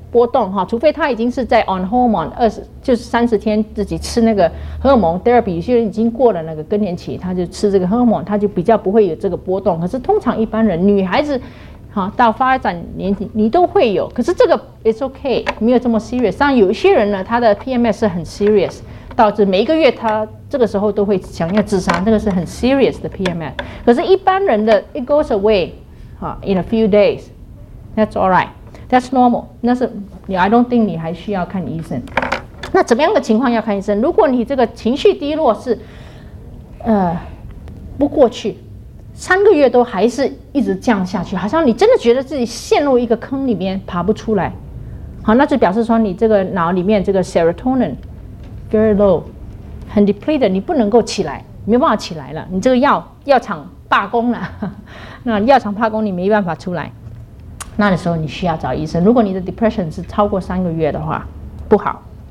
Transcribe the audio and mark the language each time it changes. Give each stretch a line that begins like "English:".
Chinese: 波动哈，除非他已经是在 on hormone 30天自己吃那个荷尔蒙 therapy， 有些人已经过了那个更年期，他就吃这个荷尔蒙，他就比较不会有这个波动。可是通常一般人女孩子，好到发展年纪你都会有，可是这个
English: it's okay，
Chinese: 没有这么 serious。但有些人呢，他的 PMS 是很 serious。导致每一个月他这个时候都会想要自杀，那个是很 serious 的 PMS。可是一般人的
English: it goes away in a few days， that's alright， that's normal，
Chinese: 那是
English: I don't think
Chinese: 你还需要看医生。那怎么样的情况要看医生？如果你这个情绪低落是不过去，三个月都还是一直降下去，好像你真的觉得自己陷入一个坑里面爬不出来，好，那就表示说你这个脑里面这个 serotoninvery low， 很 depleted， 你不能够起来，没办法起来了，你这个药厂罢工了，那药厂罢工你没办法出来，那的时候你需要找医生。如果你的 depression 是超过三个月的话，不好。